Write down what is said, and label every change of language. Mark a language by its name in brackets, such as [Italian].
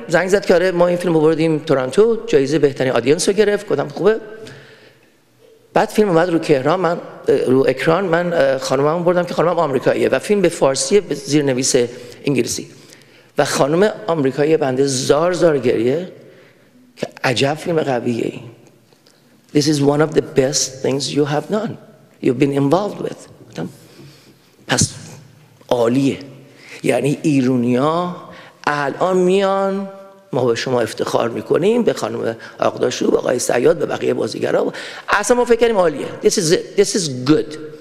[Persian] زنگ زد که آره ما این فیلم رو بردیم تورنتو، جایزه بهترین آدینس رو گرفت. گفتم خوبه. بعد فیلم اومد رو کهران، من رو اکران، من خانومم بردم که خانومم آمریکاییه و فیلم به فارسیه به زیرنویس انگلیسی، و خانم آمریکایی بنده زار زار گریه که عجب فیلم قویه این. [English] This is one of the best things you have done, you've been involved with. [Persian] گفتم پس عالیه، یعنی ایرونیا الان میان، ما به شما افتخار میکنیم، به خانم آقداشو، به آقای صیاد، به بقیه بازیگرا، اصلا ما فکر کنیم عالیه. [English] This is good.